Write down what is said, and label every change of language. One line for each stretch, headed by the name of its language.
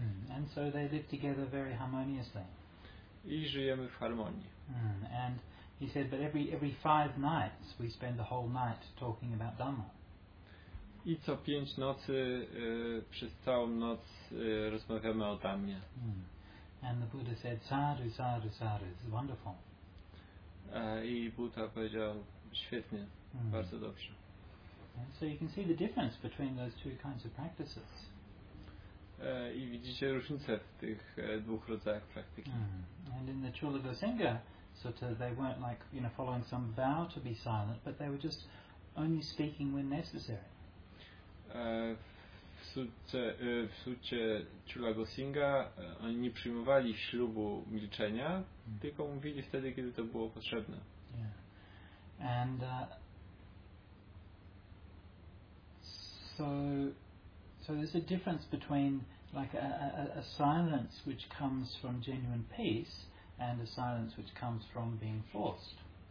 English: And so they live together very harmoniously.
Polish: I żyjemy w harmonii.
English: And he said, but every five nights we spend the whole night talking about Dhamma.
Polish: I co pięć nocy przez całą noc rozmawiamy o Dhammie.
English: And the Buddha said, sadhu, sadhu, sadhu, it's wonderful.
Polish: I Buddha powiedział, świetnie, bardzo dobrze.
English: And so you can see the difference between those two kinds of practices.
Polish: I widzicie różnicę w tych dwóch rodzajach praktyki.
English: And in the Chula Gosinga Sutta, they weren't like, you know, following some vow to be silent, but they were just only speaking when necessary.
Polish: W sucie Chula Gosinga oni nie przyjmowali ślubu milczenia, tylko mówili wtedy, kiedy to było potrzebne.
English: Yeah. And so there's a difference between like a silence which comes from genuine peace and a silence which comes from being forced.